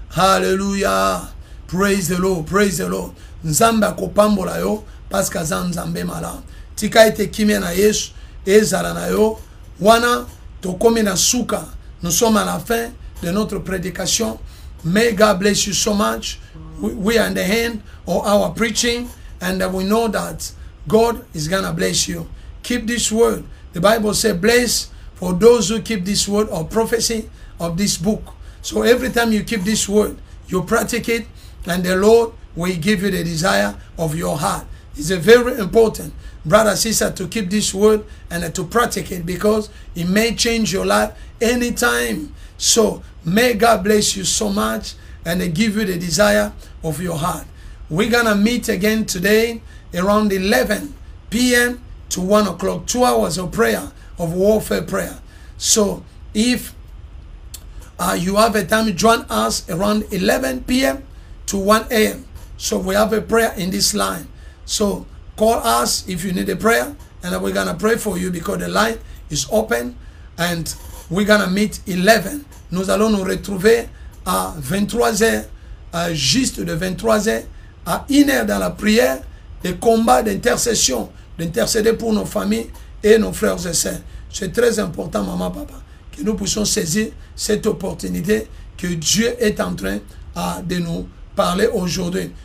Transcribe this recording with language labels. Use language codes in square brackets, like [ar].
[en] Alléluia. Praise the Lord, praise the Lord. [ln] Nzambe akopambola yo [fr] parce que [ln] nzambe mala. Tika ete kimia na Yesu ezala na yo, wana tokomi na suka. [fr] Nous sommes à la fin de notre prédication. [en] May God bless you so much. We are in the end of our preaching. And we know that God is going to bless you. Keep this word. The Bible says, bless for those who keep this word or prophecy of this book. So every time you keep this word, you practice it. And the Lord will give you the desire of your heart. It's a very important, brother, sister, to keep this word and to practice it. Because it may change your life anytime. So may God bless you so much and give you the desire of your heart. We're gonna meet again today around 11 p.m. to 1 o'clock, 2 hours of prayer, of warfare prayer. So if you have a time, join us around 11 p.m. to 1 a.m. So we have a prayer in this line. So call us if you need a prayer and we're gonna pray for you because the line is open. And we're going to meet 11. [fr] Nous allons nous retrouver à 23h, à juste de 23h, à 1h dans la prière, des combats d'intercession, d'intercéder pour nos familles et nos frères et sœurs. C'est très important, maman, papa, que nous puissions saisir cette opportunité que Dieu est en train de nous parler aujourd'hui.